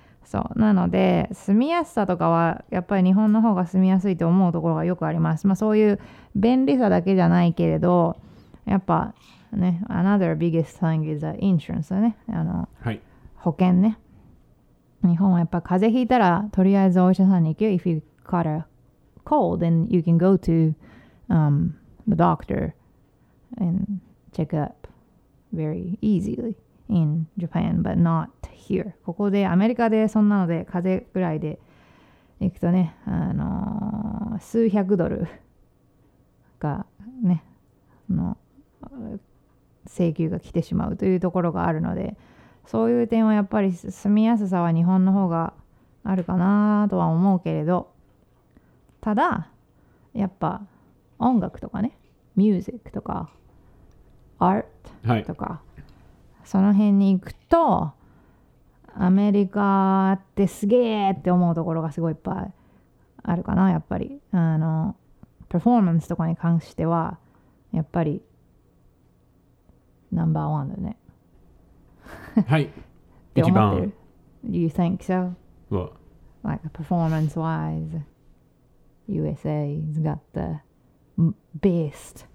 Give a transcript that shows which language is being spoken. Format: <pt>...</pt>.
<ja>そう、なので住みやすさとかはやっぱり日本の方が住みやすいと思うところがよくあります。まあそういう便利さだけじゃないけれど、</ja> <en>やっぱね、another biggest thing is insurance ね、あの、</en> <ja>はい、保険ね。日本はやっぱ風邪ひいたらとりあえずお医者さんに行くよ。</ja> <en>If you caught a cold, then you can go to、the doctor and check up very easily in Japan, but not here.</en> <ja>ここでアメリカでそんなので風邪ぐらいで行くとね、数百ドルがね、の請求が来てしまうというところがあるので、そういう点はやっぱり住みやすさは日本の方があるかなとは思うけれど、ただやっぱ音楽とかね、ミュージックとかアートとか、はい、その辺に行くとアメリカってすげえって思うところがすごいいっぱいあるかな。やっぱりあのパフォーマンスとかに関してはやっぱりナンバーワンだね。はい。</ja> <en>一番。Do you think so? What? Like performance wise, USA has got the best.</en>